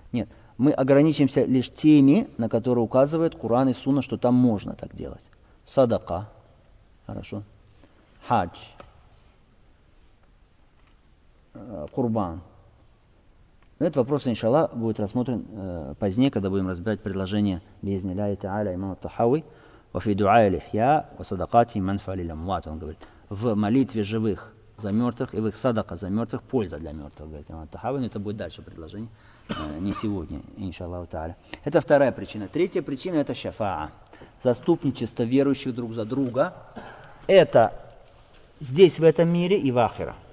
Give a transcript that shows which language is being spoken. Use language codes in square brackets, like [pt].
[ru] Нет, мы ограничимся лишь теми, на которые указывают Куран и Сунна, что там можно так делать. Садака. Хорошо. Хадж. Курбан. Но этот вопрос, иншалла, будет рассмотрен позднее, когда будем разбирать предложение Биизни Ллахи Тааля имама Тахави. [ar] وفي دعاء الإحياء وصدقاته منفعة للأموات. [ru] Он говорит, в молитве живых за мертвых и в их садака за мертвых польза для мертвых. Говорит, имам Тахави, это будет дальше предложение, не сегодня, иншаллаху тааля. Это вторая причина. Третья причина – это шафаа. Заступничество верующих друг за друга. Это здесь, в этом мире и в ахира.